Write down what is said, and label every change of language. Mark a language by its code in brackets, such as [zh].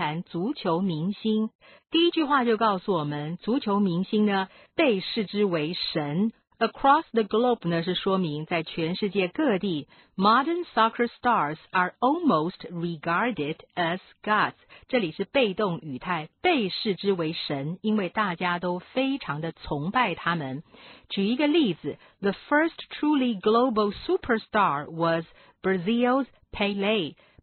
[zh] 谈了那么多足球，今天我们要谈谈足球明星。第一句话就告诉我们，足球明星呢被视之为神。 [en] Across the globe [zh] 呢是说明在全世界各地 [en] ，modern soccer stars are almost regarded as gods. [zh] 这里是被动语态，被视之为神，因为大家都非常的崇拜他们。举一个例子， [en] The first truly global superstar was Brazil's Pelé.